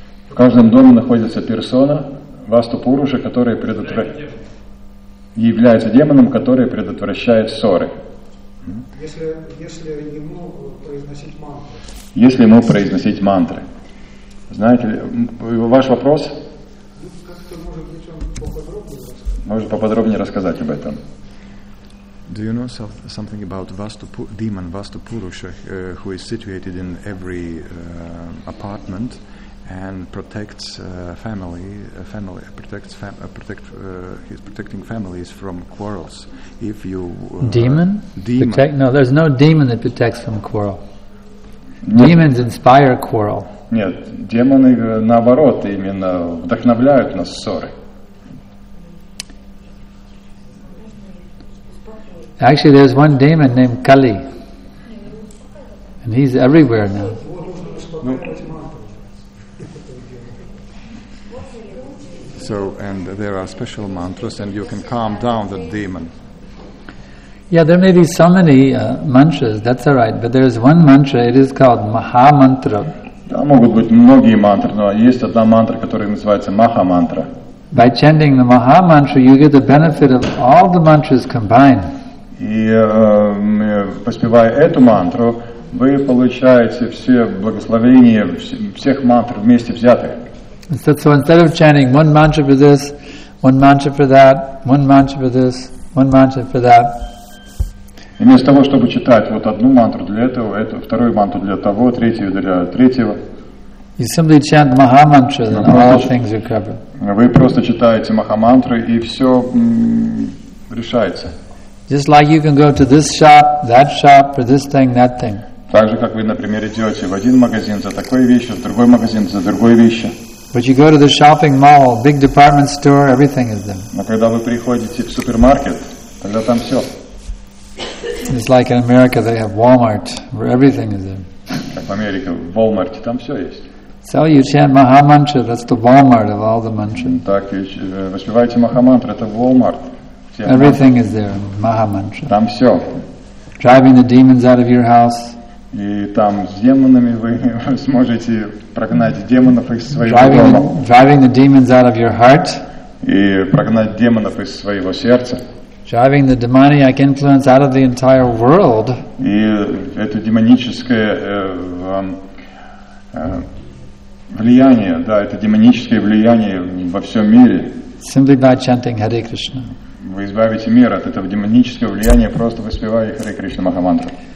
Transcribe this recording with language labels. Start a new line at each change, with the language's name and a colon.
Russian: В каждом доме находится персона Васту Пуруша, которая является демоном, который предотвращает ссоры. Если ему произносить мантры. Знаете ли, ваш вопрос? Как-то может быть он поподробнее рассказать. Может поподробнее рассказать об этом.
English: Do you know something about demon Vastu Purusha, who is situated in every apartment and protects protecting families from quarrels? If you demon. No, there's no demon that protects from quarrel. Demons inspire quarrel.
Russian: Нет, демоны наоборот именно вдохновляют на ссоры.
English: Actually, there's one demon named Kali, and he's everywhere now. So, and there are special mantras, and you can calm down the demon. Yeah, there may be so many mantras, that's all right, but there's one mantra, it is called Mahamantra. There may be many mantras, but there is one mantra that is called Mahamantra. By chanting the Mahamantra, you get the benefit of all the mantras combined.
Russian: И поспевая эту мантру, вы получаете все благословения всех мантр вместе взятых.
English: So instead of chanting one mantra for this, one mantra for that, one mantra for this, one mantra for that.
Russian: И вместо того, чтобы читать вот одну мантру для этого, эту, вторую мантру для того, третью для третьего.
English: You simply chant Mahamantra, and all things are covered.
Russian: Вы просто читаете Махамантру, и все решается.
English: Just like you can go to this shop, that shop, for this thing, that thing.
Russian: Так же, как вы, например, идете в один магазин за такой вещью, в другой магазин за другой вещью.
English: But you go to the shopping mall, big department store, everything is there.
Russian: Но когда вы приходите в супермаркет, тогда там все.
English: It's like in America, they have Walmart, where everything is there.
Russian: Как в Америке, в Walmart, там все есть.
English: So you chant Mahamantra, that's the Walmart of all the mantras.
Russian: Так, воспеваете Махамантру, это Walmart.
English: Everything is there, Mahamantra.
Russian: Там все.
English: Driving the demons out of your house.
Russian: И там с демонами вы сможете прогнать демонов из своего дома.
English: Driving the demons out of your heart.
Russian: И прогнать демонов из своего сердца.
English: Driving the demoniac influence out of the entire world.
Russian: И это демоническое влияние, да, это демоническое влияние во всем мире.
English: Simply by chanting Hare Krishna.
Russian: Вы избавите мир от этого демонического влияния, просто воспевая Харе Кришна Махамантру.